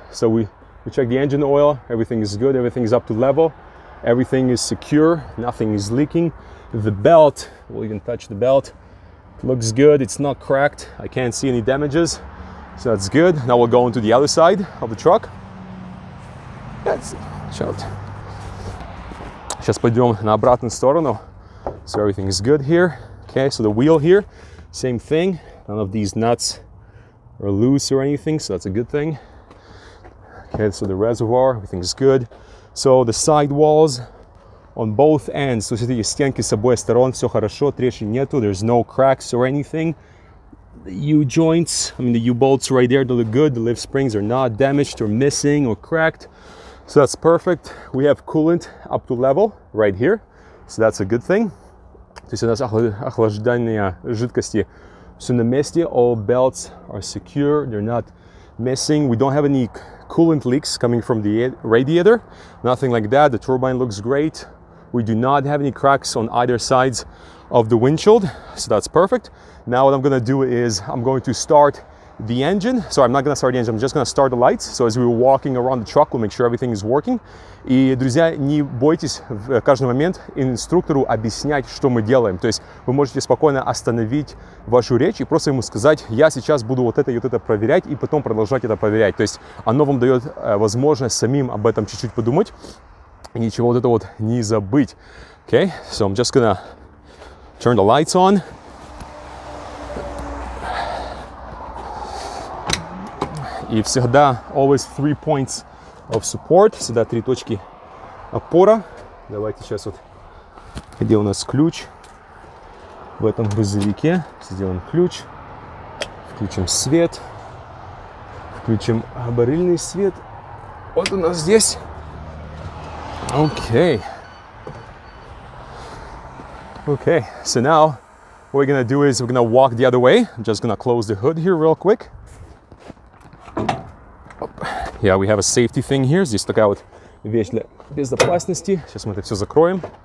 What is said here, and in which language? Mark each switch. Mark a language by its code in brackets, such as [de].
[en] So we check the engine oil, everything is good, everything is up to level. Everything is secure, nothing is leaking. The belt, we'll even touch the belt. It looks good, it's not cracked. I can't see any damages, so that's good. Now we'll go into the other side of the truck. That's it. Shout. [ru] Сейчас пойдем на обратную сторону. [en] So everything is good here. Okay, so the wheel here, same thing. None of these nuts are loose or anything, so that's a good thing. Okay, so the reservoir, everything is good. So the side walls on both ends. [ru] То есть эти стенки с обоих сторон, все хорошо, трещин нету. [en] There's no cracks or anything. The U-joints, I mean the U-bolts right there, they look good. The lift springs are not damaged or missing or cracked. So that's perfect. We have coolant up to level right here. So that's a good thing. [ru] То есть у нас охлаждение жидкости все на месте. [en] All belts are secure. They're not missing. We don't have any coolant leaks coming from the radiator. Nothing like that. The turbine looks great. We do not have any cracks on either sides of the windshield. So that's perfect. Now what I'm going to do is I'm going to start the engine. So I'm not gonna start the engine, I'm just gonna start the lights. So as we were walking around the truck, we'll make sure everything is working. [ru] И, друзья, не бойтесь в каждый момент инструктору объяснять, что мы делаем. То есть вы можете спокойно остановить вашу речь и просто ему сказать, я сейчас буду вот это и вот это проверять, и потом продолжать это проверять. То есть оно вам дает возможность самим об этом чуть-чуть подумать и ничего вот это вот не забыть. [en] Okay, so I'm just gonna turn the lights on. [ru] И всегда, [en] always three points of support, [ru] всегда три точки опора. Давайте сейчас вот, где у нас ключ в этом грузовике. Сделаем ключ, включим свет, включим барильный свет. Вот у нас здесь. Окей. [en] Окей, so now, what we're gonna do is we're gonna walk the other way. I'm just gonna close the hood here real quick. Yeah, we have a safety thing here. [ru] Здесь такая вот вещь для безопасности. Сейчас мы это все закроем.